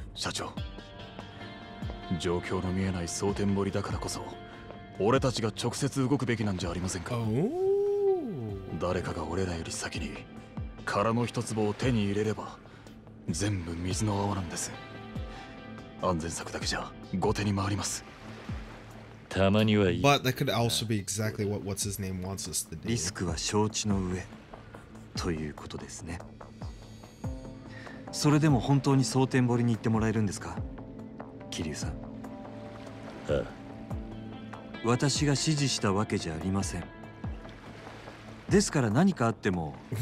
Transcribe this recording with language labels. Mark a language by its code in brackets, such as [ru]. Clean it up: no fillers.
[ja] 社長、状況の見えない蒼天堀だからこそ俺たちが直接動くべきなんじゃありませんか。誰かが俺らより先に殻の一坪を手に入れれば全部水の泡なんです。安全策だけじゃ後手に回ります。たまにはいい。 [en] But that could also be exactly what what's his name wants us to do. [ja] リスクは承知の上ということですね。それでも本当に蒼天堀に行ってもらえるんですか、桐生さん。ああ、私が指示したわけじゃありません。ですから何かあっても